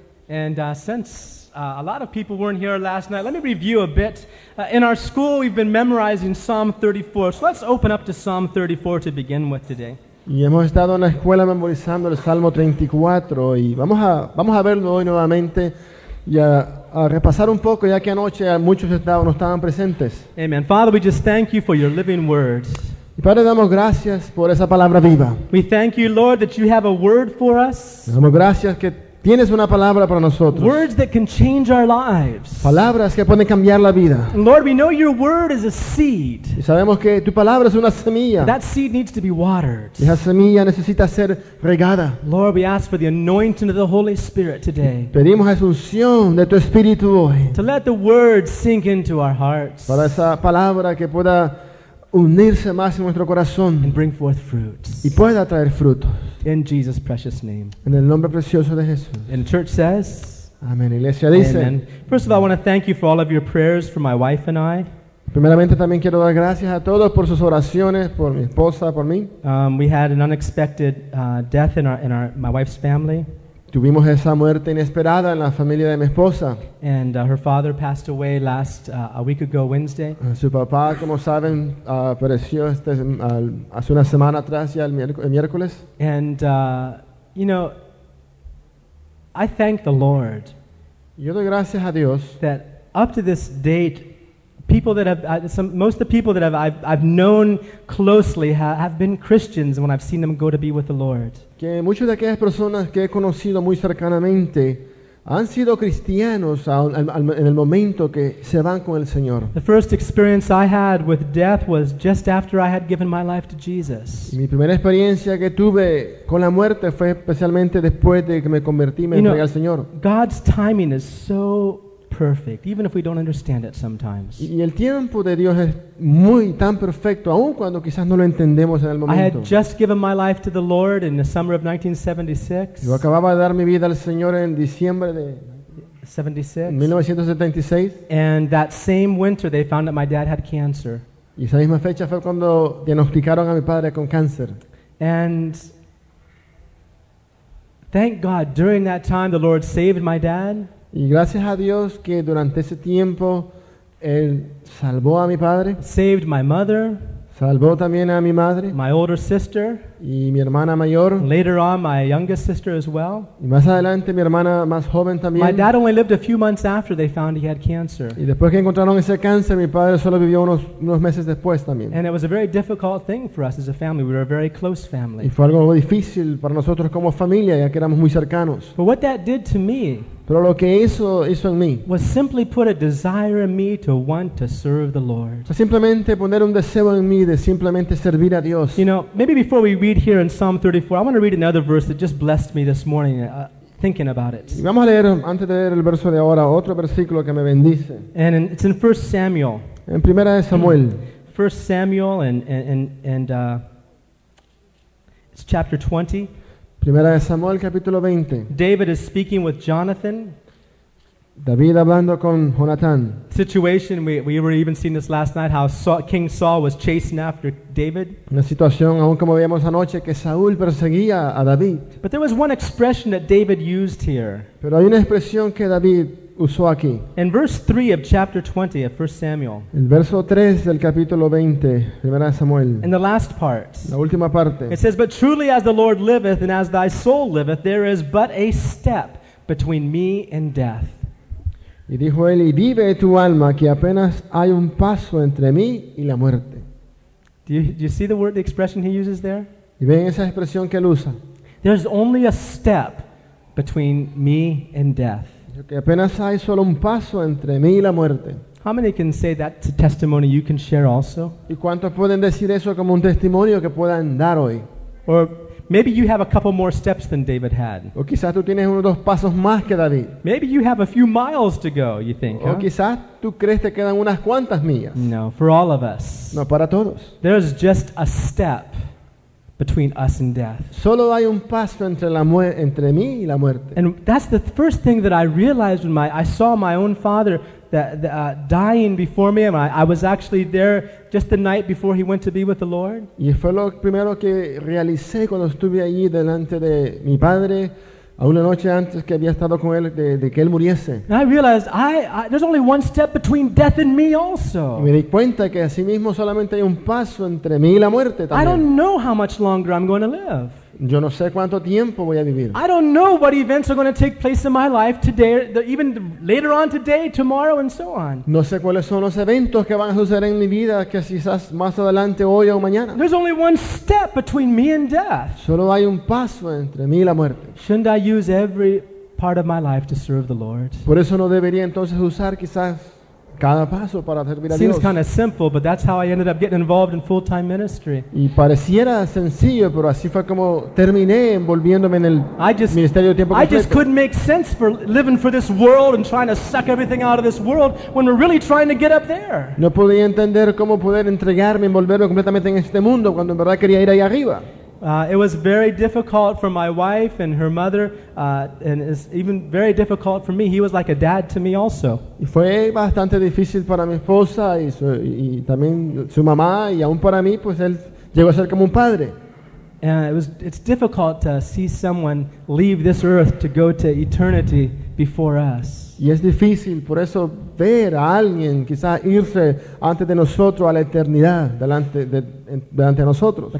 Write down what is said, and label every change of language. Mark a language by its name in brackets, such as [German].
[English] And since a lot of people weren't here last night, let me review a bit. In our school, we've been memorizing Psalm 34. So let's open up to Psalm 34 to begin with today. [Spanish] Y hemos estado en la escuela memorizando el Salmo 34 y vamos a verlo hoy nuevamente y a repasar un poco, ya que anoche muchos no estaban presentes. [English] Amen. Father, we just thank you for your living words. [Spanish] Y Padre, damos gracias por esa palabra viva. [English] We thank you, Lord, that you have a word for us. [Spanish] Damos gracias que tienes una palabra para nosotros. [English] Words that can change our lives. [Spanish] Palabras que pueden cambiar la vida. [English] Lord, we know your word is a seed. [Spanish] Y sabemos que tu palabra es una semilla. [English] That seed needs to be watered. [Spanish] Y esa semilla necesita ser regada. [English] Lord, we ask for the anointing of the Holy Spirit today. [Spanish] Pedimos la unción de tu espíritu hoy. [English] To let the word sink into our hearts. [Spanish] Para esa palabra que pueda unirse más en nuestro corazón. [English] And bring forth fruits. [Spanish] Y pueda traer frutos. [English] In Jesus' precious name. [Spanish] En el nombre precioso de Jesús. [English] And church says, [Spanish] amen. Iglesia dice, [English] amen. First of all, I want to thank you for all of your prayers for my wife and I. [Spanish] Primeramente también quiero dar gracias a todos por sus oraciones, por mi esposa, por mí. [English] We had an unexpected death in my wife's family. [Spanish] Tuvimos esa muerte inesperada en la familia de mi esposa. [English] And her father passed away last a week ago Wednesday. [Spanish] Su papá, como saben, apareció hace una semana atrás, ya el miércoles. [English] And you know, I thank the Lord. [Spanish] Yo doy gracias a Dios. [English] That up to this date, people that have most of the people that I've known closely have been Christians when I've seen them go to be with the Lord. [Spanish] Que muchas de aquellas personas que he conocido muy cercanamente han sido cristianos en el momento que se van con el Señor. [English] The first experience I had with death was just after I had given my life to Jesus. [Spanish] Y mi primera experiencia que tuve con la muerte fue especialmente después de que me convertí y me entregué al Señor. [English] God's timing is so perfect, even if we don't understand it sometimes. [Spanish] Y el tiempo de Dios es muy tan perfecto, aun cuando quizás no lo entendemos en el momento. [English] I had just given my life to the Lord in the summer of 1976. [Spanish] Yo acababa de dar mi vida al Señor en diciembre de 1976. [English] And that same winter, they found that my dad had cancer. [Spanish] Y esa misma fecha fue cuando diagnosticaron a mi padre con cáncer. [English] And thank God, during that time, the Lord saved my dad. [Spanish] Y gracias a Dios que durante ese tiempo él salvó a mi padre. [English] Saved my mother. [Spanish] Salvó también a mi madre. [English] My older sister. [Spanish] Y mi hermana mayor. [English] Later on, my youngest sister as well. [Spanish] Y más adelante mi hermana más joven también. [English] My dad only lived a few months after they found he had cancer. [Spanish] Y después que encontraron ese cáncer, mi padre solo vivió unos meses después también. [English] And it was a very difficult thing for us as a family. We were a very close family. [Spanish] Y fue algo difícil para nosotros como familia, ya que éramos muy cercanos. [English] But what that did to me. [Spanish] Pero lo que hizo en mí [English] was simply put a desire in me to want to serve the Lord. [Spanish] Simplemente poner un deseo en mí de simplemente servir a Dios. [English] You know, maybe before we read here in Psalm 34, I want to read another verse that just blessed me this morning, thinking about it. [Spanish] Y vamos a leer, antes de leer el verso de ahora, otro versículo que me bendice. [English] And it's in 1 Samuel. [Spanish] En Primera de Samuel. [English] 1 Samuel and it's chapter 20. [Spanish] Primera de Samuel, capítulo 20. [English] David is speaking with Jonathan. [Spanish] David hablando con Jonathan. [English] Situation, we were even seeing this last night, how King Saul was chasing after David. [Spanish] Una situación, aún como veíamos anoche, que Saúl perseguía a David. [English] But there was one expression that David used here. [Spanish] Pero hay una expresión que David usó aquí. [English] In verse 3 of chapter 20 of 1 Samuel. [Spanish] El verso 3 del capítulo 20, Primera de Samuel. [English] In the last part. [Spanish] La última parte. [English] It says, but truly as the Lord liveth and as thy soul liveth, there is but a step between me and death. [Spanish] Y dijo él, y vive tu alma, que apenas hay un paso entre mí y la muerte. [English] Do you see the word, the expression he uses there? [Spanish] ¿Y ven esa expresión que él usa? [English] There's only a step between me and death. [Spanish] Que apenas hay solo un paso entre mí y la muerte. [English] How many can say that's a testimony you can share also? [Spanish] ¿Y cuántos pueden decir eso como un testimonio que puedan dar hoy? [English] Or maybe you have a couple more steps than David had. [Spanish] O quizás tú tienes unos dos pasos más que David. [English] Maybe you have a few miles to go, you think. [Spanish] O quizás tú crees que quedan unas cuantas millas. [English] No, for all of us. [Spanish] No, para todos. [English] There's just a step. between us and death. [Spanish] Solo hay un paso entre mí y la muerte. [English] And that's the first thing that I realized when I saw my own father dying before me. And I was actually there just the night before he went to be with the Lord. [Spanish] Y fue lo primero que realicé cuando estuve allí delante de mi padre. A una noche antes que había estado con él, de que él muriese. [English] And I realized, I there's only one step between death and me also. [Spanish] Y me di cuenta que así mismo solamente hay un paso entre mí y la muerte también. [English] I don't know how much longer I'm going to live. [Spanish] Yo no sé cuánto tiempo voy a vivir. [English] I don't know what events are going to take place in my life today, even later on today, tomorrow, and so on. [Spanish] No sé cuáles son los eventos que van a suceder en mi vida, que quizás más adelante, hoy o mañana. [English] There's only one step between me and death. [Spanish] Solo hay un paso entre mí y la muerte. [English] Shouldn't I use every part of my life to serve the Lord? [Spanish] Por eso no debería entonces usar quizás cada paso para servir a Dios. [English] Seems kind of simple, but that's how I ended up getting involved in full-time ministry. [Spanish] Y pareciera sencillo, pero así fue como terminé envolviéndome en el ministerio de tiempo completo. [English] I just couldn't make sense for living for this world and trying to suck everything out of this world when we're really trying to get up there. [Spanish] No podía entender cómo poder entregarme, envolverme completamente en este mundo cuando en verdad quería ir allá arriba. [English] It was very difficult for my wife and her mother, and it's even very difficult for me. He was like a dad to me also. [Spanish] Y fue bastante difícil para mi esposa y también su mamá, y aún para mí, pues él llegó a ser como un padre. [English] And it's difficult to see someone leave this earth to go to eternity before us. [Spanish] Y es difícil, por eso, ver a alguien quizá irse antes de nosotros a la eternidad delante de nosotros.